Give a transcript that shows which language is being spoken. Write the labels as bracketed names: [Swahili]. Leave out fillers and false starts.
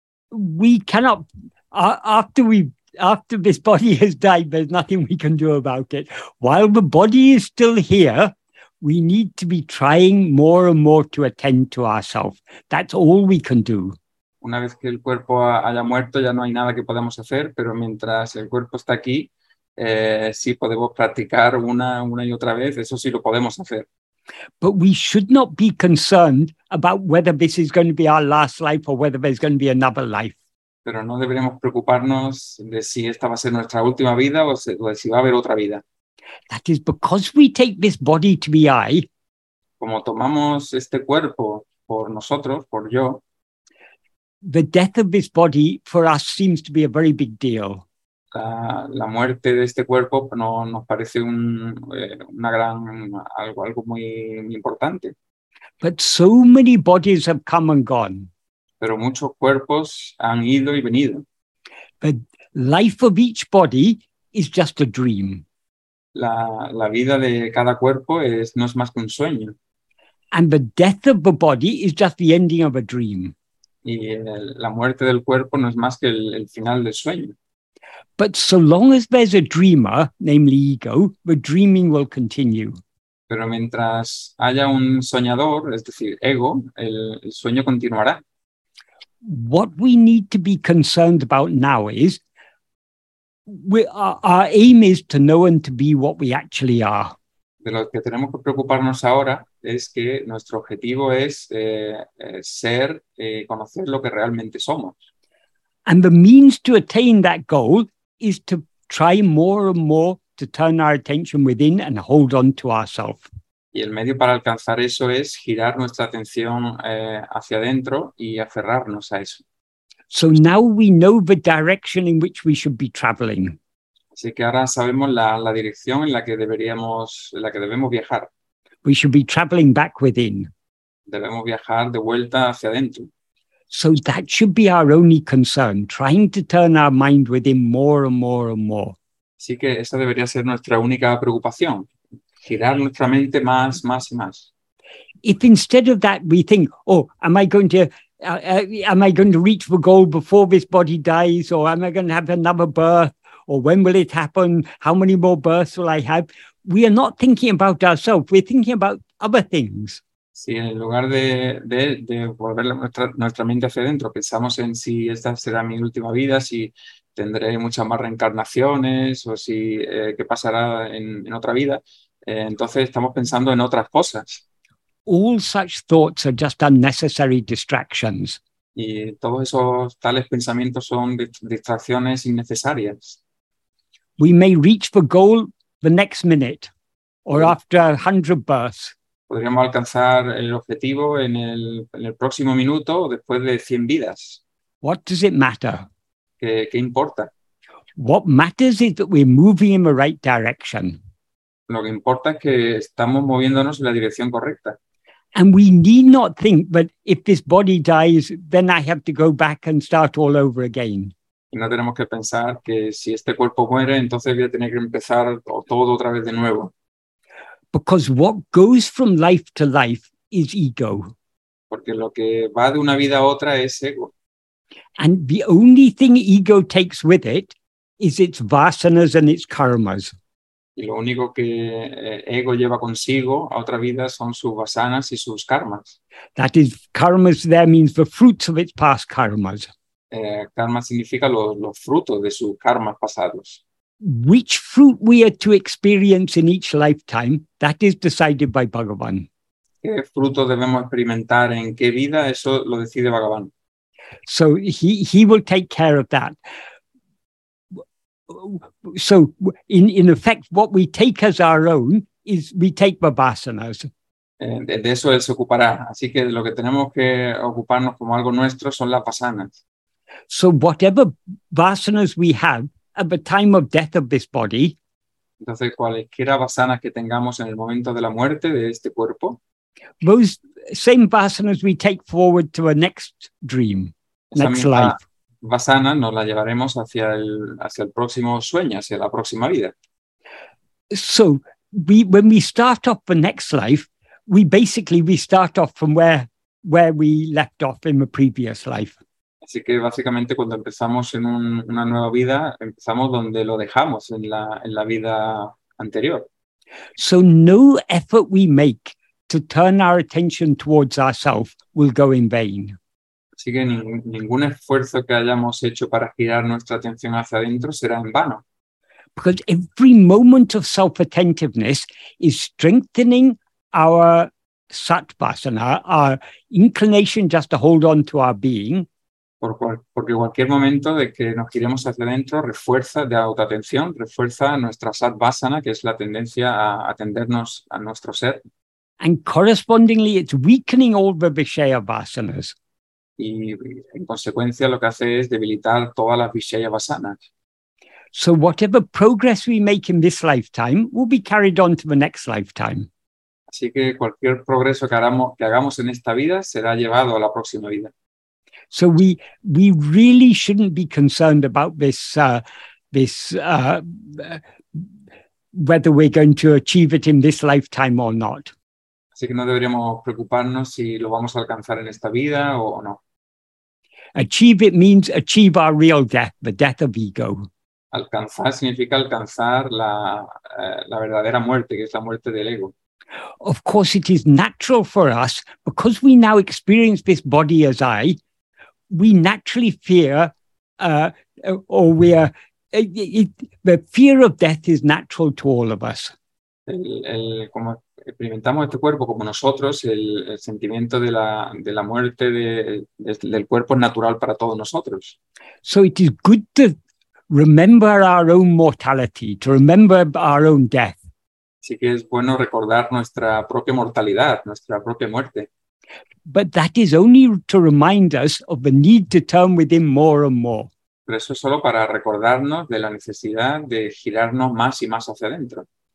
[English] We cannot, after this body has died, there's nothing we can do about it. While the body is still here, we need to be trying more and more to attend to ourselves. That's all we can do. [Spanish] Una vez que el cuerpo haya muerto, ya no hay nada que podamos hacer, pero mientras el cuerpo está aquí, sí podemos practicar una y otra vez, eso sí lo podemos hacer. [English] But we should not be concerned about whether this is going to be our last life or whether there's going to be another life. [Spanish] Pero no deberíamos preocuparnos de si esta va a ser nuestra última vida o de si va a haber otra vida. [English] That is because we take this body to be I. [Spanish] Como tomamos este cuerpo por nosotros, por yo. [English] The death of this body for us seems to be a very big deal. [Spanish] La muerte de este cuerpo no nos parece algo muy importante. [English] But so many bodies have come and gone. [Spanish] Pero muchos cuerpos han ido y venido. [English] The life of each body is just a dream. [Spanish] La vida de cada cuerpo no es más que un sueño. [English] And the death of the body is just the ending of a dream. [Spanish] Y la muerte del cuerpo no es más que el final del sueño. [English] But so long as there's a dreamer, namely ego, the dreaming will continue. [Spanish] Pero mientras haya un soñador, es decir, ego, el sueño continuará. [English] What we need to be concerned about now is our aim is to know and to be what we actually are. [Spanish] De lo que tenemos que preocuparnos ahora es que nuestro objetivo es ser, conocer lo que realmente somos. [English] And the means to attain that goal is to try more and more to turn our attention within and hold on to ourselves. [Spanish] Y el medio para alcanzar eso es girar nuestra atención hacia adentro y aferrarnos a eso. [English] So now we know the direction in which we should be traveling. [Spanish] Así que ahora sabemos la dirección en la que deberíamos, en la que debemos viajar. [English] We should be traveling back within. [Spanish] Debemos viajar de vuelta hacia adentro. [English] So that should be our only concern, trying to turn our mind within more and more and more. [Spanish] Así que esa debería ser nuestra única preocupación, girar nuestra mente más, más y más. [English] If instead of that we think, oh, am I going to reach the goal before this body dies, or am I going to have another birth, or when will it happen, how many more births will I have? We are not thinking about ourselves, we're thinking about other things. [Spanish] Si en lugar de volver nuestra mente hacia adentro, pensamos en si esta será mi última vida, si tendré muchas más reencarnaciones o si qué pasará en otra vida. Entonces estamos pensando en otras cosas. [English] All such thoughts are just unnecessary distractions. [Spanish] Y todos esos tales pensamientos son distracciones innecesarias. [English] We may reach the goal the next minute or after 100 births. [Spanish] Podríamos alcanzar el objetivo en el próximo minuto o después de 100 vidas. [English] What does it matter? [Spanish] ¿Qué importa? [English] What matters is that we're moving in the right direction. [Spanish] Lo que importa es que estamos moviéndonos en la dirección correcta. [English] And we need not think that if this body dies, then I have to go back and start all over again. [Spanish] Y no tenemos que pensar que si este cuerpo muere, entonces voy a tener que empezar todo otra vez de nuevo. [English] Because what goes from life to life is ego. [Spanish] Porque lo que va de una vida a otra es ego. [English] And the only thing ego takes with it is its vasanas and its karmas. [Spanish] Y lo único que ego lleva consigo a otra vida son sus vasanas y sus karmas. [English] That is, karmas there means the fruits of its past karmas. [Spanish] Karma significa los frutos de sus karmas pasados. [English] Which fruit we are to experience in each lifetime, that is decided by Bhagavan. [Spanish] ¿Qué fruto debemos experimentar en qué vida? Eso lo decide Bhagavan. [English] So he will take care of that. So in effect, what we take as our own is we take the vasanas. [Spanish] De eso él se ocupará. Así que lo que tenemos que ocuparnos como algo nuestro son las vasanas. [English] So whatever vasanas we have at the time of death of this body, [Spanish] entonces cualesquiera vasanas que tengamos en el momento de la muerte de este cuerpo, [English] those same vasanas we take forward to a next dream, next life. [Spanish] Vasanas nos la llevaremos hacia el próximo sueño, hacia la próxima vida. [English] So when we start off the next life, we basically start off from where we left off in the previous life. [Spanish] Así que básicamente cuando empezamos en una nueva vida, empezamos donde lo dejamos en la vida anterior. [English] So no effort we make to turn our attention towards ourselves will go in vain. [Spanish] Así que ningún esfuerzo que hayamos hecho para girar nuestra atención hacia adentro será en vano. [English] Because every moment of self-attentiveness is strengthening our sattvasana, our inclination just to hold on to our being. [Spanish] Porque cualquier momento de que nos giremos hacia adentro refuerza de autoatención, refuerza nuestra sattvasana, que es la tendencia a atendernos a nuestro ser. [English] And correspondingly, it's weakening all the vishaya vasanas. [Spanish] Y en consecuencia lo que hace es debilitar todas las vishaya vasanas. [English] So whatever progress we make in this lifetime will be carried on to the next lifetime. [Spanish] Así que cualquier progreso que hagamos en esta vida será llevado a la próxima vida. [English] So we really shouldn't be concerned about whether we're going to achieve it in this lifetime or not. [Spanish] Así que no deberíamos preocuparnos si lo vamos a alcanzar en esta vida o no. [English] Achieve it means achieve our real death, the death of ego. [Spanish] Alcanzar significa alcanzar la verdadera muerte, que es la muerte del ego. [English] Of course, it is natural for us, because we now experience this body as I, we naturally fear, the fear of death is natural to all of us. [Spanish] Como experimentamos este cuerpo como nosotros, el sentimiento de la muerte del cuerpo es natural para todos nosotros. [English] So it is good to remember our own mortality, to remember our own death. [Spanish] Así que es bueno recordar nuestra propia mortalidad, nuestra propia muerte. [English] But that is only to remind us of the need to turn within more and more. [Spanish] Pero eso es solo para recordarnos de la necesidad de girarnos más y más hacia adentro.